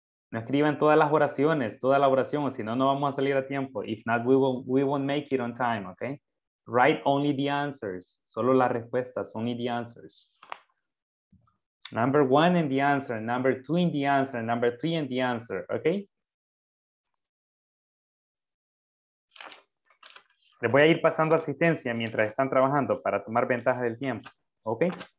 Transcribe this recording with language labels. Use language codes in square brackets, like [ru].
[es] No escriban todas las oraciones, toda la oración, si no, no vamos a salir a tiempo. [en] If not, we won't make it on time, okay? Write only the answers. [es] Solo las respuestas, [en] only the answers. Number one in the answer, number two in the answer, number three in the answer, okay? [es] Les voy a ir pasando asistencia mientras están trabajando para tomar ventaja del tiempo, okay?